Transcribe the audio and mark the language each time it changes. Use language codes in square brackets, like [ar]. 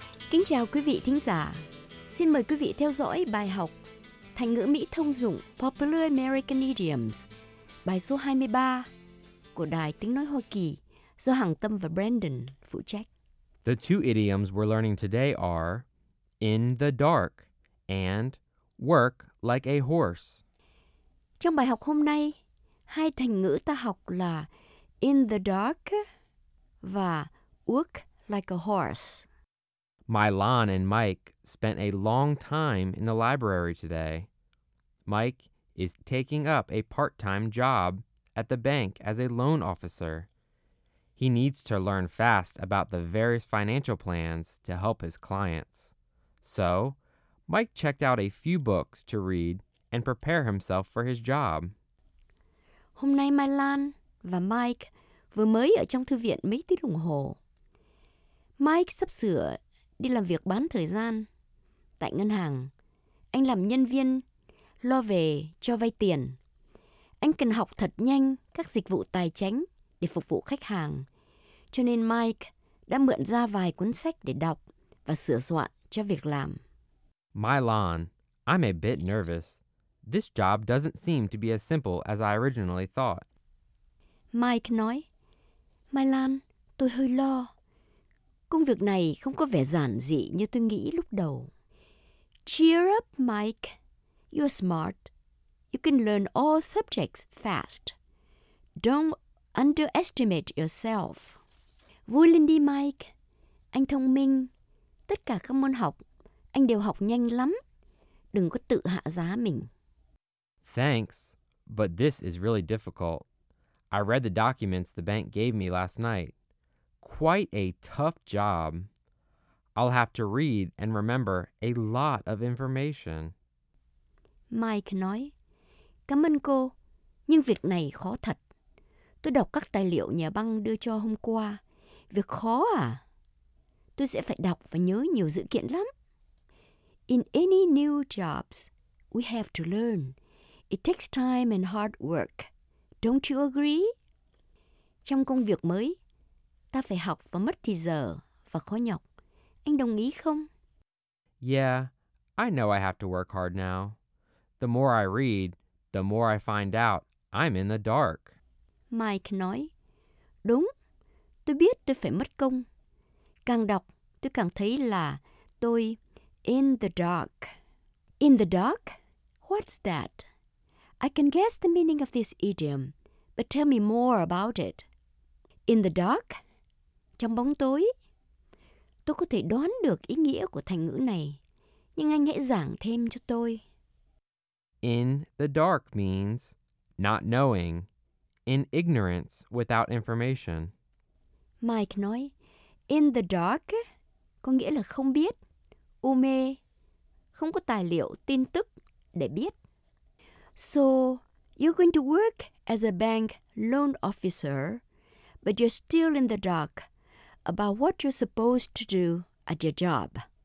[vi] Kính chào quý vị thính giả. Xin mời quý vị theo dõi bài học thành ngữ Mỹ thông dụng [en] Popular American Idioms, [vi] bài số 23 của Đài Tiếng Nói Hoa Kỳ do Hằng Tâm và Brandon phụ trách. [en] The two idioms we're learning today are in the dark and work like a horse. [vi] Trong bài học hôm nay, hai thành ngữ ta học là [en] in the dark [vi] và [en] work like a horse. Mylon and Mike spent a long time in the library today. Mike is taking up a part-time job at the bank as a loan officer. He needs to learn fast about the various financial plans to help his clients. So, Mike checked out a few books to read and prepare himself for his job. [vi] Hôm nay Mylon và Mike vừa mới ở trong thư viện mấy tiếng đồng hồ. Mike sắp sửa đi làm việc bán thời gian tại ngân hàng. Anh làm nhân viên lo về cho vay tiền. Anh cần học thật nhanh các dịch vụ tài chính để phục vụ khách hàng. Cho nên Mike đã mượn ra vài cuốn sách để đọc và sửa soạn cho việc làm. [en] Mylon, I'm a bit nervous. This job doesn't seem to be as simple as I originally thought. [vi] Mike nói, Mylon, tôi hơi lo. Công việc này không có vẻ giản dị như tôi nghĩ lúc đầu. [en] Cheer up, Mike. You're smart. You can learn all subjects fast. Don't underestimate yourself. [vi] Vui lên đi, Mike. Anh thông minh. Tất cả các môn học, anh đều học nhanh lắm. Đừng có tự hạ giá mình. [en] Thanks, but this is really difficult. I read the documents the bank gave me last night. Quite a tough job. I'll have to read and remember a lot of information. [vi] Mike nói, cảm ơn cô, nhưng việc này khó thật. Tôi đọc các tài liệu nhà băng đưa cho hôm qua. Việc khó à? Tôi sẽ phải đọc và nhớ nhiều dữ kiện lắm. [en] In any new jobs, we have to learn. It takes time and hard work. Don't you agree? [vi] Trong công việc mới, ta phải học và mất thì giờ và khó nhọc. Anh đồng ý không? [en] Yeah, I know I have to work hard now. The more I read, the more I find out I'm in the dark. [vi] Mike nói, đúng, tôi biết tôi phải mất công. Càng đọc, tôi càng thấy là tôi [en] in the dark. In the dark? What's that? I can guess the meaning of this idiom, but tell me more about it. In the dark? [vi] Trong bóng tối. Tôi có thể đoán được ý nghĩa của thành ngữ này, nhưng anh hãy giảng thêm cho tôi. [en] In the dark means not knowing, in ignorance, without information. [vi] Mike nói, [en] in the dark [vi] có nghĩa là không biết, u mê, không có tài liệu, tin tức để biết. [en] So, you're going to work as a bank loan officer, but you're still in the dark about what you're supposed to do at your job.